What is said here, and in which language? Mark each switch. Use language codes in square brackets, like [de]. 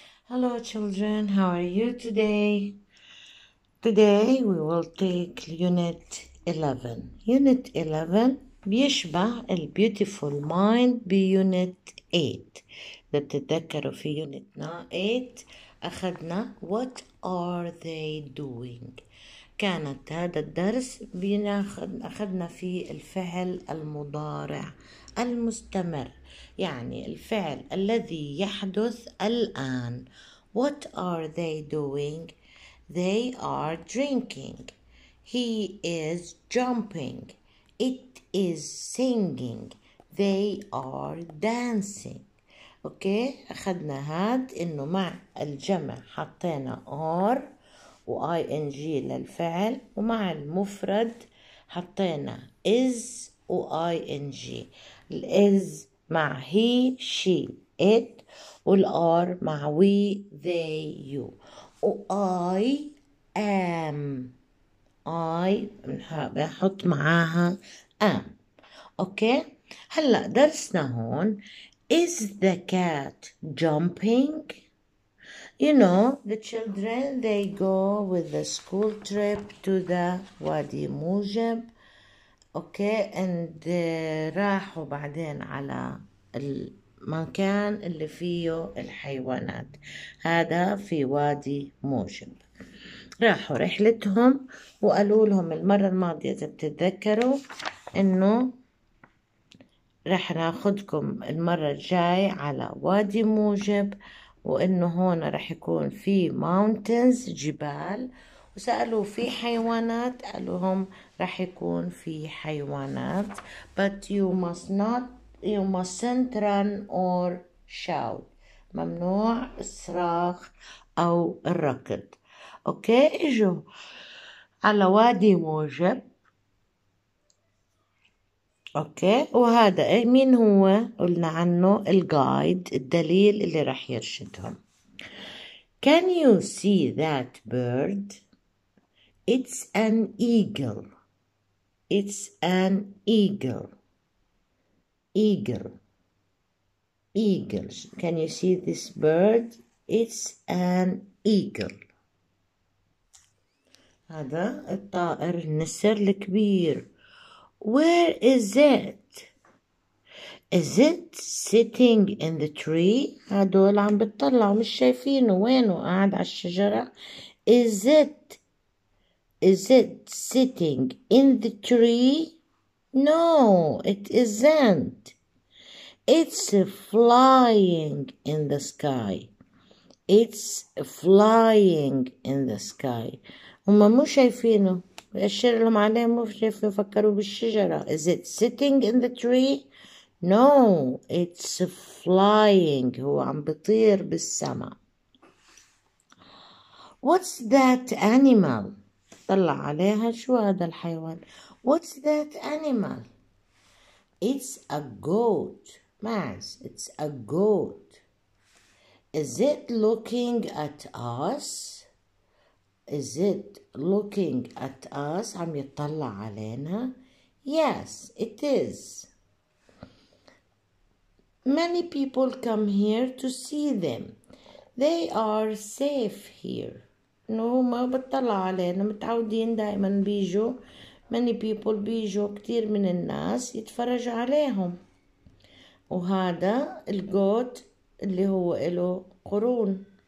[en] Hello children, how are you today? Today we will take Unit 11. [ar] Unit 11 بيشبه ال Beautiful Mind ب Unit 8. إذا بتتذكروا في Unit 8 أخذنا [en] What are they doing؟ [ar] كانت هذا الدرس أخذنا فيه الفعل المضارع المستمر، يعني الفعل الذي يحدث الآن. [en] What are they doing? They are drinking. He is jumping. It is singing. They are dancing. [ar] أوكي، أخذنا هاد إنه مع الجمع حطينا are و ing للفعل، ومع المفرد حطينا is و ing. ال is مع he she it، وال are مع we they you. و I am، I بحط معاها am. اوكي، هلا درسنا هون [en] is the cat jumping. You know, the children, they go with the school trip to the Wadi Mujab. Okay, and [ar] راحوا بعدين على المكان اللي فيه الحيوانات. هذا في وادي موجب. راحوا رحلتهم وقالوا لهم المرة الماضية إذا بتتذكروا إنه رح ناخدكم المرة الجاي على وادي موجب، وإنه هون رح يكون في mountains جبال. وسألوا في حيوانات، قالوا هم رح يكون في حيوانات. [en] But you mustn't run or shout. [ar] ممنوع الصراخ أو الركض. أوكي، إجوا على وادي موجب. أوكي، وهذا مين هو؟ قلنا عنه الجايد، الدليل اللي رح يرشدهم. [en] Can you see that bird? It's an eagle. It's an eagle. Eagle. Eagles. Can you see this bird? It's an eagle. [ar] هذا الطائر النسر الكبير. [en] Where is it? Is it sitting in the tree? [ar] هدول عم بتطلعوا مش شايفينه، وينه قاعد على الشجرة؟ [en] Is it sitting in the tree? No, it isn't. It's flying in the sky. It's flying in the sky. [ar] هم مو شايفينه، بيأشر لهم عليه، مو شايفينه، فكروا بالشجرة. [en] Is it sitting in the tree? No, it's flying. [ar] هو عم بيطير بالسماء. [en] What's that animal? [ar] طلع عليها، شو هذا الحيوان؟ [en] What's that animal? It's a goat. ماس، it's a goat. Is it looking at us? Is it looking at us? [ar] عم يطلع علينا. [en] Yes, it is. Many people come here to see them. They are safe here. [ar] No, ما بتطلع علينا، متعودين دائما بيجوا. [en] Many people [ar] بيجوا، كتير من الناس يتفرج عليهم. وهذا الجوت اللي هو له قرون.